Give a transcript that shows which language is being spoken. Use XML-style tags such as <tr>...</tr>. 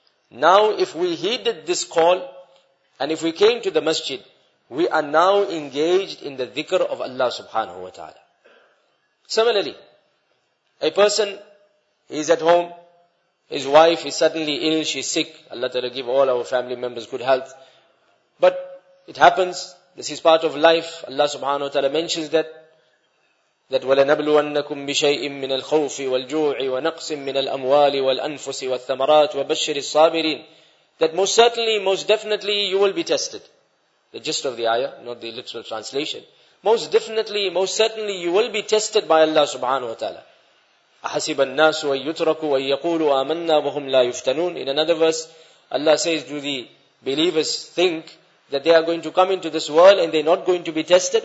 <en>Now if we heeded this call and if we came to the masjid, we are now engaged in the dhikr of Allah subhanahu wa ta'ala. Similarly, a person is at home, his wife is suddenly ill, she's sick. Allah ta'ala give all our family members good health. But it happens, this is part of life. Allah subhanahu wa ta'ala mentions that</en> <ar>وَلَنَبْلُوَنَّكُمْ بِشَيْءٍ مِّنَ الْخَوْفِ وَالْجُوعِ وَنَقْصٍ مِّنَ الْأَمْوَالِ وَالْأَنفُسِ وَالثَّمَرَاتِ وَبَشِّرِ الصَّابِرِينَ.</ar> <en>That most certainly, most definitely, you will be tested. The gist of the ayah, not the literal translation. Most definitely, most certainly, you will be tested by Allah subhanahu wa ta'ala.</en> <ar>أَحَسِبَ النَّاسُ وَيُتْرَكُوا وَيَقُولُوا آمَنَّا وَهُمْ لَا يُفْتَنُونَ.</ar> <en>In another verse, Allah says, do the believers think that they are going to come into this world and they're not going to be tested?</en>